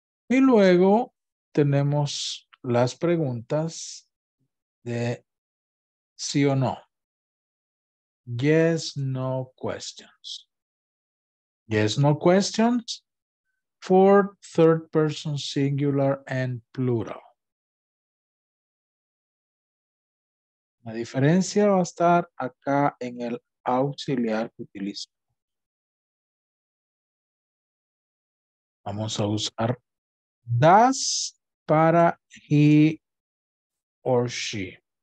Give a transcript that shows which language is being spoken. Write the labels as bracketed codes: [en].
[es] Y luego tenemos las preguntas de sí o no. [en] Yes, no questions. Yes, no questions for third person singular and plural. [es] La diferencia va a estar acá en el auxiliar que utilizo. Vamos a usar does para [en] he or she.